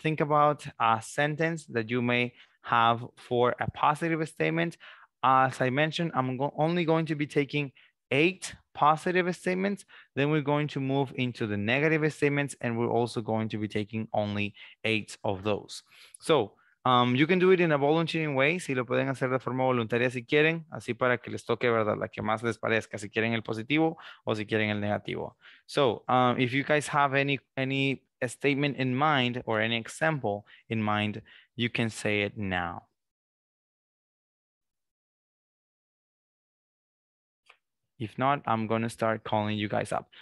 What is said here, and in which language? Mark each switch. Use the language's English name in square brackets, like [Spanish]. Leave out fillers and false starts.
[English] Think about a sentence that you may have for a positive statement. As I mentioned, I'm only going to be taking 8 positive statements. Then we're going to move into the negative statements, and we're also going to be taking only 8 of those. So you can do it in a volunteering way. [Spanish] Si lo pueden hacer de forma voluntaria si quieren, así para que les toque, verdad, la que más les parezca, si quieren el positivo o si quieren el negativo. [English] So if you guys have any statement in mind or any example in mind, you can say it now. If not, I'm going to start calling you guys up.